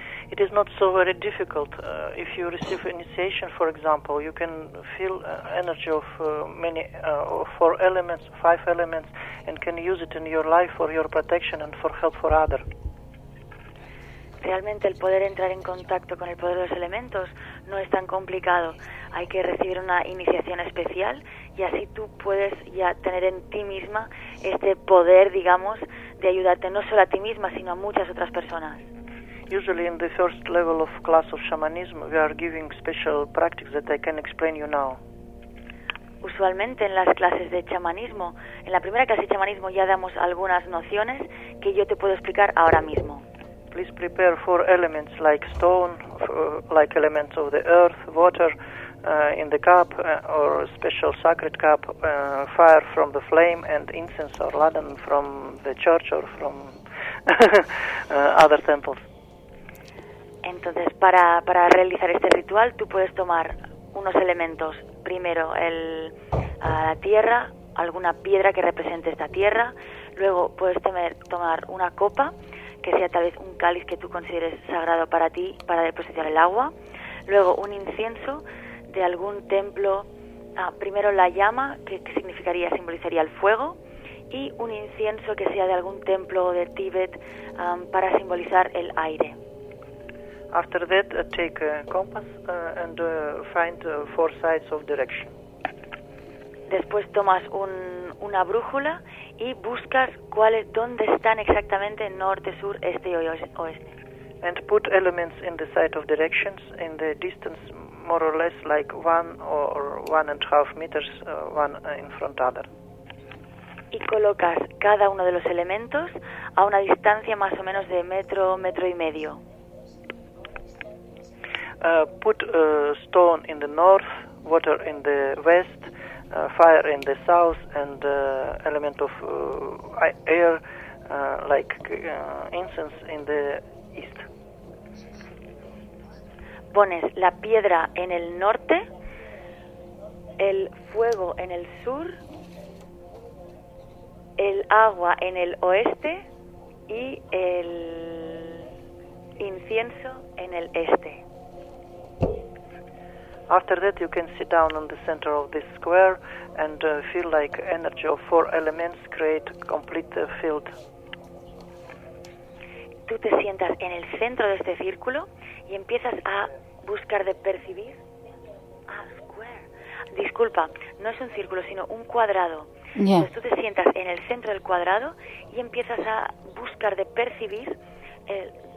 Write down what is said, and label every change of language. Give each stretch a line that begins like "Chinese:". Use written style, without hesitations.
English: It is not so very difficult. If you receive initiation, for example, you can feel energy of many, four elements, five elements, and can use it in your life for your protection and for help for others.
Spanish: Realmente el poder entrar en contacto con el poder de los elementos no es tan complicado. Hay que recibir una iniciación especial y así tú puedes ya tener en ti misma este poder, digamos, de ayudarte no solo a ti misma, sino a muchas otras personas.
English: Usually in the first level of class of shamanism, we are giving special practices that I can explain you now.
Spanish: Usualmente en las clases de chamanismo, en la primera clase de chamanismo ya damos algunas nociones que yo te puedo explicar ahora mismo.
English: Please prepare four elements like stone, like elements of the earth, water in the cup or a special sacred cup, fire from the flame and incense or ladan from the church or from other temples.
Spanish: Entonces, para realizar este ritual, tú puedes tomar unos elementos. Primero, la tierra, alguna piedra que represente esta tierra. Luego, puedes tomar una copa, que sea tal vez un cáliz que tú consideres sagrado para ti, para depositar el agua. Luego, un incienso de algún templo. Primero, la llama, que significaría, simbolizaría el fuego. Y un incienso que sea de algún templo de Tíbet, para simbolizar el aire.
English: After that, take a compass and find four sides of direction.
Spanish: Después tomas una brújula y buscas dónde están exactamente norte, sur, este y oeste.
English: And put elements in the side of directions in the distance more or less like 1 or 1.5 meters one in front other.
Spanish: Y colocas cada uno de los elementos a una distancia más o menos de metro, metro y medio.
English: Put stone in the north, water in the west, fire in the south, and element of air, like incense, in the east.
Spanish: Pones la piedra en el norte, el fuego en el sur, el agua en el oeste, y el incienso en el este.
English: After that, you can sit down in the center of this square and feel like energy of four elements create a complete field.
Spanish: Tú te sientas en el centro de este círculo y empiezas a buscar de percibir. Ah, square. Disculpa, no es un círculo, sino un cuadrado.
English: Yeah.
Spanish: Entonces tú te sientas en el centro del cuadrado y empiezas a buscar de percibir el.